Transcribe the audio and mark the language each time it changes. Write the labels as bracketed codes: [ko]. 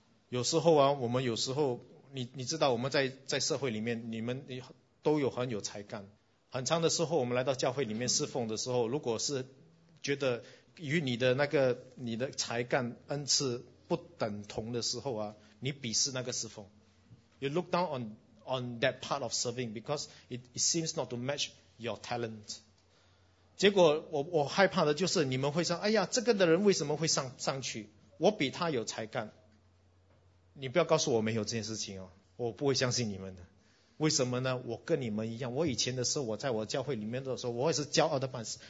[zh] 有时候啊，我们有时候你知道，我们在社会里面，你们都有很有才干，很长的时候我们来到教会里面侍奉的时候，如果是觉得与你的那个你的才干恩赐不等同的时候啊，你鄙视那个侍奉。 [en] You look down on that part of serving because it seems not to match your talent. [zh] 结果我害怕的就是你们会说，哎呀，这个的人为什么会上去？我比他有才干。你不要告诉我没有这件事情哦，我不会相信你们的。为什么呢？我跟你们一样，我以前的时候，我在我教会里面的时候，我也是骄傲的办事。